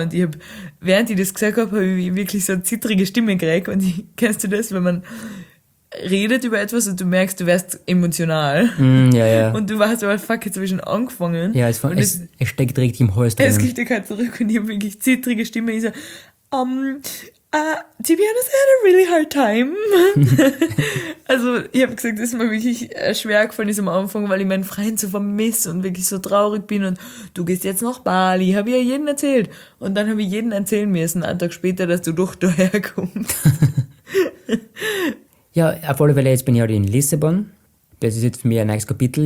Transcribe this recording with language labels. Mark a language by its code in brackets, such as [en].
[de] Und ich habe, während ich das gesagt habe, habe ich wirklich so eine zittrige Stimme gekriegt. Und kennst du das, wenn man redet über etwas und du merkst, du wärst emotional. Mm, ja, ja. Und du warst aber, fuck, jetzt habe ich schon angefangen. Ja, es steckt richtig im Hals drin. Es kriegt dir kein zurück und ich habe wirklich zittrige Stimme. Ich so, [en] to be honest, I had a really hard time. [de] Also, ich habe gesagt, das ist mir wirklich schwer gefallen, ist am Anfang, weil ich meinen Freund so vermisse und wirklich so traurig bin und du gehst jetzt nach Bali, habe ich ja jedem erzählt. Und dann habe ich jedem erzählen müssen, einen Tag später, dass du doch da herkommst. Ja, auf alle Fälle, jetzt bin ich halt in Lissabon. Das ist jetzt für mich ein neues Kapitel.